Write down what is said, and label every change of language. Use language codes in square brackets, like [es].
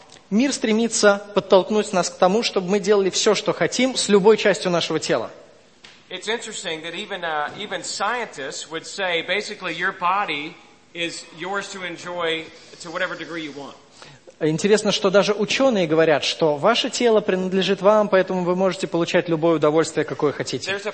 [ru] Мир стремится подтолкнуть нас к тому, чтобы мы делали все, что хотим, с любой частью нашего тела. Это интересно, что даже ученые могут сказать, что, [en] basically, your body is yours to enjoy to whatever degree you want. [ru] Интересно, что даже ученые говорят, что ваше тело принадлежит вам, поэтому вы можете получать любое удовольствие, какое хотите.